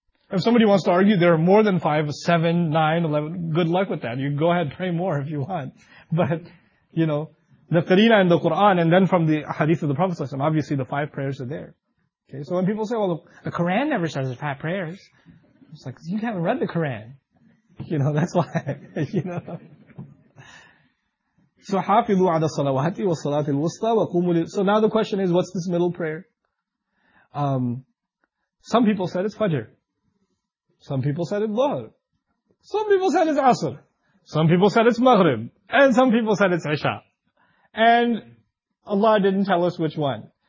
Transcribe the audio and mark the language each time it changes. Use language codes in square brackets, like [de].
[en] If somebody wants to argue there are more than five, seven, nine, 11, good luck with that. You go ahead, pray more if you want. But, you know, the qareena in the Quran and then from the hadith of the Prophet ﷺ, obviously the five prayers are there. Okay, so when people say, well, the Quran never says there's five prayers, it's like, you haven't read the Quran. You know, that's why, you know. [ar] So حافظوا على الصلوات والصلاة الوسطى وقوموا. [en] So now the question is, what's this middle prayer? Some people said it's Fajr. Some people said it's Dhuhr. Some people said it's Asr. Some people said it's Maghrib. And some people said it's Isha. And Allah didn't tell us which one.